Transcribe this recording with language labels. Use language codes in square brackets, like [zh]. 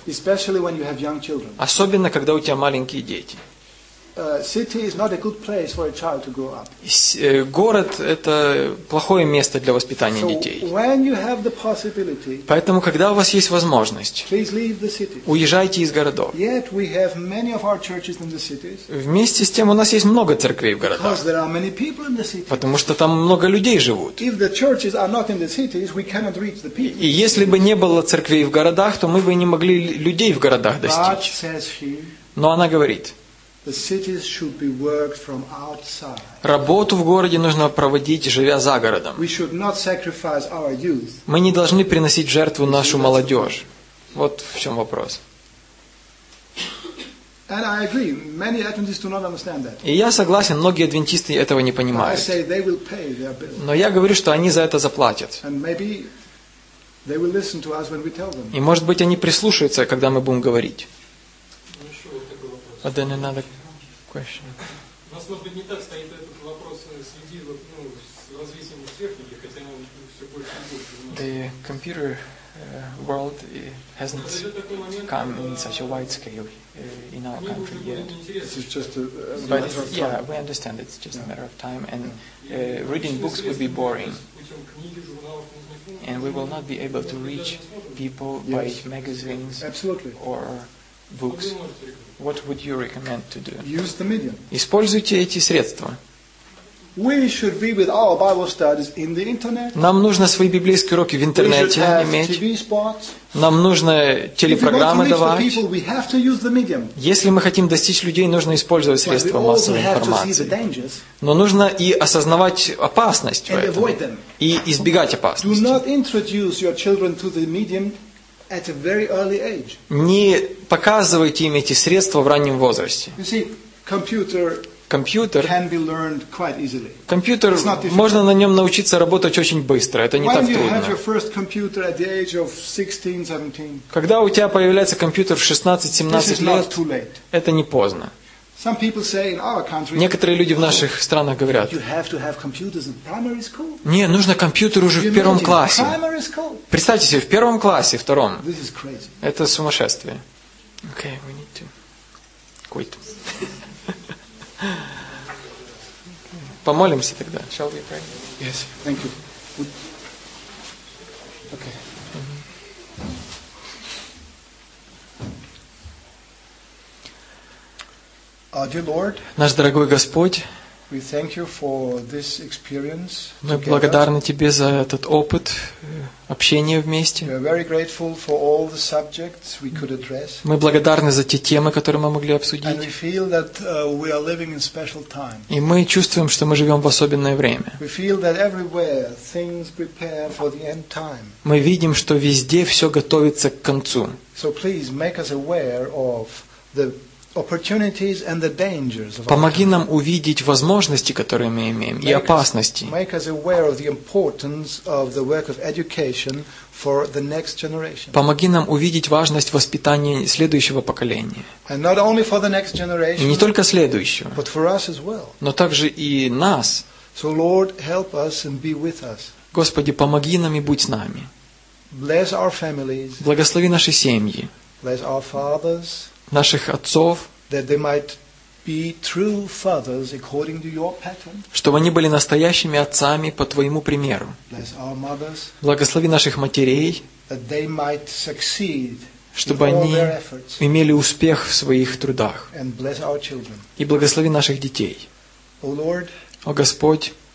[en] Especially when you have young children. [ru] Особенно, когда у тебя маленькие дети. [en] City is not a good place for a child to grow up. [ru] Город – это плохое место для воспитания детей. [en] So when you have the possibility, [ru] поэтому, когда у вас есть возможность, [en] please leave the cities. [ru] Уезжайте из городов. [en] Yet we have many of our churches in the cities. [ru] Вместе с тем, у нас есть много церквей в городах. [en] Because there are many people in the cities. [ru] Потому что там много людей живут. [en] If the churches are not in the cities, we cannot reach the people. [ru] И если бы не было церквей в городах, то мы бы не могли людей в городах достичь. [en] But, says she, [ru] но она говорит, [en] the cities should be worked from outside. [ru] Работу в городе нужно проводить, живя за городом. [en] We should not sacrifice our youth. [ru] Мы не должны приносить жертву нашу молодежь. Вот в чем вопрос. [en] And I agree. Many Adventists do not understand that. [ru] И я согласен, многие адвентисты этого не понимают. [en] But I say they will pay their bill. [ru] Но я говорю, что они за это заплатят. [en] And maybe they will listen to us when we tell them. [ru] И может быть, они прислушаются, когда мы будем говорить. [en] But then another question. [ru] У нас, может быть, не так стоит этот вопрос в связи с развитием техники, хотя он все больше и больше. [en] The computer world hasn't come in such a wide scale in our country yet. It's just a matter of time. Yeah, we understand it's just a matter of time, and reading books would be boring. And we will not be able to reach people by magazines. Absolutely. Or books. What would you recommend to do? Use the medium. [ru] Используйте эти средства. [en] We should be with our Bible studies in the internet. [ru] Нам нужно свои библейские уроки в интернете иметь. [en] TV spots. [ru] Нам нужно телепрограммы давать. [en] If we want to reach the people, we have to use the medium. [ru] Если мы хотим достичь людей, нужно использовать средства массовой информации. Но нужно и осознавать опасность в этом. И избегать опасности. [en] Do not introduce your children to the medium. At a very early age. [ru] Не показывайте им эти средства в раннем возрасте. [en] You see, computer can be learned quite easily. [ru] Компьютер, можно на нем научиться работать очень быстро. Это не так трудно. [en] When you have your first computer at the age of 16, 17. [ru] Когда у тебя появляется компьютер в 16-17 лет, [en] too late. [ru] Это не поздно. [en] Some people say in our country. [ru] Некоторые люди в наших странах говорят. [en] You have to have computers in primary school. [ru] Не, нужно компьютер уже в первом классе. [en] Primary school. [ru] Представьте себе в первом классе, втором. [en] This is crazy. [ru] Это сумасшествие. [en] Okay, we need to quit. [ru] Помолимся тогда. [en] Shall we pray? Yes. Thank you. Okay. Dear Lord, [ru] наш дорогой Господь, [en] We thank you for this experience. [ru] Мы благодарны тебе за этот опыт общения вместе. [en] We are very grateful for all the subjects we could address. [ru] Мы благодарны за те темы, которые мы могли обсудить. [en] And we feel that we are living in special time. [ru] И мы чувствуем, что мы живем в особенное время. [en] We feel that everywhere things prepare for the end time. [ru] Мы видим, что везде все готовится к концу. [en] So please make us aware of the opportunities and the dangers of. [ru] Помоги нам увидеть возможности, которые мы имеем, и опасности. [en] Make us aware of the importance of the work of education for the next generation. [ru] Помоги нам увидеть важность воспитания следующего поколения. [en] And not only for the next generation. [ru] И не только следующего. [en] But for us as well. [ru] Но также и нас. [en] So Lord, help us and be with us. [ru] Господи, помоги нам и будь с нами. [en] Bless our families. [ru] Благослови наши семьи. [en] Bless our fathers. [ru] Наших отцов, [en] that they might be true fathers according to your pattern. [ru] Чтобы они были настоящими отцами по твоему примеру. [en] Bless our mothers. [ru] Благослови наших матерей, [en] that they might succeed. [ru] Чтобы они имели успех в своих трудах. [en] And bless our children. [ru] И благослови наших детей. [en] O Lord, [ru] о Господь,